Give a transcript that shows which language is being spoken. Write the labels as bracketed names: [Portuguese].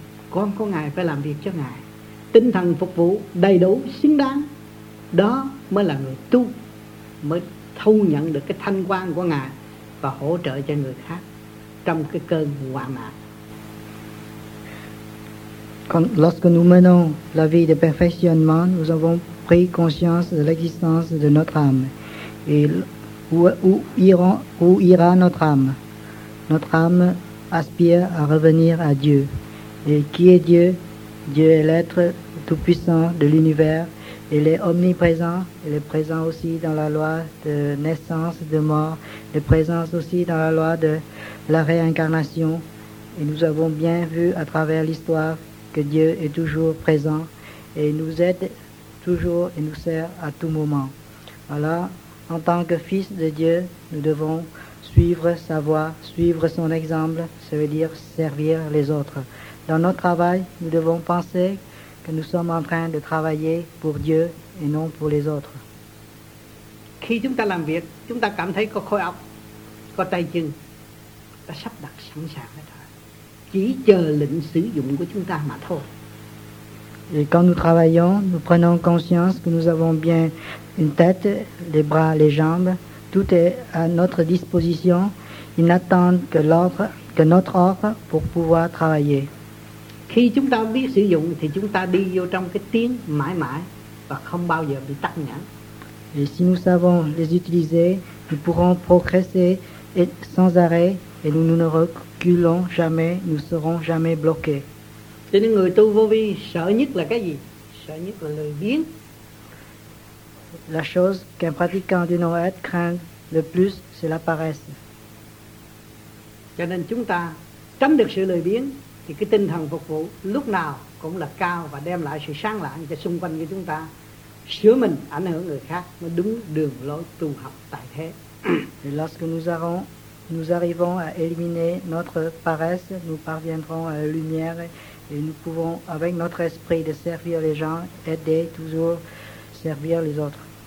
[Vietnamese] Con của Ngài phải làm việc cho Ngài, tinh thần phục vụ đầy đủ xứng đáng, đó mới là người tu, mới thu nhận được cái thanh quang của Ngài và hỗ trợ cho người khác trong cái cơn hoạn nạn. [French] Quand, lorsque nous menons la vie de perfectionnement, nous avons pris conscience de l'existence de notre âme. Et où ira notre âme? Notre âme aspire à revenir à Dieu. Et qui est Dieu? Dieu est l'être tout-puissant de l'univers. Il est omniprésent. Il est présent aussi dans la loi de naissance, de mort. Il est présent aussi dans la loi de la réincarnation. Et nous avons bien vu à travers l'histoire que Dieu est toujours présent et nous aide toujours et nous sert à tout moment. Alors, en tant que fils de Dieu, nous devons suivre sa voie, suivre son exemple, ça veut dire servir les autres. Dans notre travail, nous devons penser que nous sommes en train de travailler pour Dieu et non pour les autres. [Vietnamese] Khi chúng ta làm việc, chúng ta cảm thấy có khối óc, có tay chân, đã sắp đặt sẵn sàng hết. Chỉ chờ lệnh sử dụng của chúng ta mà thôi. [French] Et quand nous travaillons, nous prenons conscience que nous avons bien une tête, les bras, les jambes, tout est à notre disposition. Ils n'attendent que l'ordre, que notre ordre pour pouvoir travailler. [Vietnamese] Khi chúng ta biết sử dụng thì chúng ta đi vô trong cái tiếng mãi mãi và không bao giờ bị tắc nghẽn. [French] Et si nous savons les utiliser, nous pourrons progresser et sans arrêt et nous ne reculons jamais, nous serons jamais bloqués. [Vietnamese] Cho nên người tu vô vi sợ nhất là cái gì? Sợ nhất là lười biếng. [French] La chose qu'un pratiquant du non-être craint le plus, c'est la paresse. [Vietnamese] Cho nên chúng ta tránh được sự lười biếng thì cái tinh thần phục vụ lúc nào cũng là cao và đem lại sự sáng lạng cho xung quanh của chúng ta. Sửa mình ảnh hưởng người khác mới đúng đường lối tu học tại thế. [French] Et lorsque nous arrivons à éliminer notre paresse, nous parviendrons à la lumière et nous pouvons, avec notre esprit de servir les gens, aider toujours servir les autres.